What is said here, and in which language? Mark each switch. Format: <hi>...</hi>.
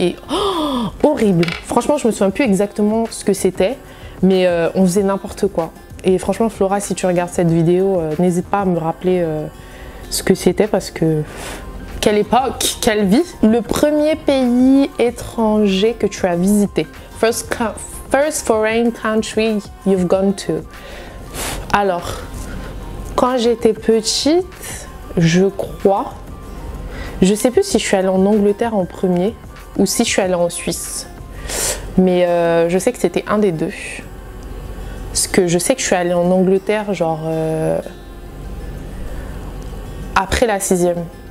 <fr>Et oh, horrible. Franchement, je me souviens plus exactement ce que c'était, mais on faisait n'importe quoi. Et franchement, Flora, si tu regardes cette vidéo, n'hésite pas à me rappeler ce que c'était parce que... Quelle époque, quelle vie. Le premier pays étranger que tu as visité.</fr> <en>First foreign country you've gone to.</en> <fr>Alors, quand j'étais petite, je crois, je sais plus si je suis allée en Angleterre en premier ou si je suis allée en Suisse. Mais je sais que c'était un des deux. Parce que je sais que je suis allée en Angleterre genre après la sixième.</fr>